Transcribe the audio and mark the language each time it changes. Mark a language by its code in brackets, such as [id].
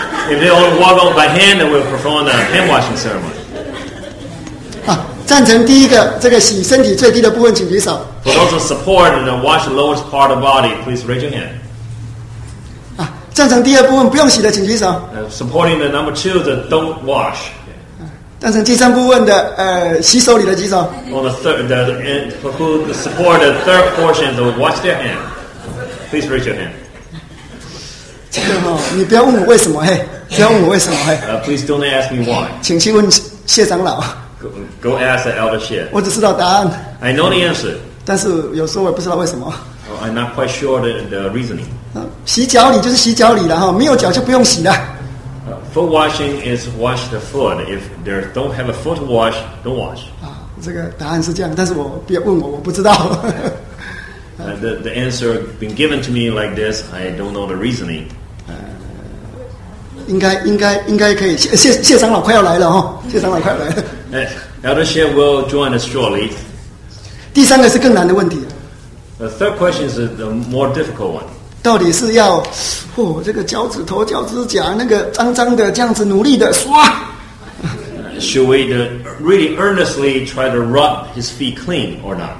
[en] If they all walk on by hand, then we'll perform the hand washing ceremony. [zh] 赞成第一个，这个洗身体最低的部分，请举手。 [en] For those who support and wash the lowest part of the body, please raise your hand. [zh] 赞成第二部分不用洗的，请举手。 [en] Supporting the number two, the don't wash. [zh] 赞成第三部分的洗手里的举手。 [en] On the third, who support the third portion, so wash their hand. Please raise your hand. [zh] 这个哈，你不要问我为什么嘿，不要问我为什么嘿。 [en] Please don't ask me why. [zh] 请去问谢长老。 [en] Go ask the elder Xie. [zh] 我只知道答案。 [en] I know the answer. [zh] 但是有时候我也不知道为什么。 [en] Oh, I'm not quite sure the reasoning. [zh] 洗脚礼就是洗脚礼了，没有脚就不用洗了。 [en] Foot washing is wash the foot. If there don't have a foot wash, don't wash. [zh] 这个答案是这样，但是我别问我，我不知道。 [en] The answer been given to me like this. I don't know the reasoning. [zh] 应该可以。谢长老快要来了，谢长老快来了。 [en] Elder Xie will join us shortly. [zh] 第三个是更难的问题。 [en] The third question is the more difficult one. [zh] 到底是要，这个脚趾头、脚趾甲那个脏脏的，这样子努力的刷。 [en] Should we really earnestly try to rub his feet clean or not?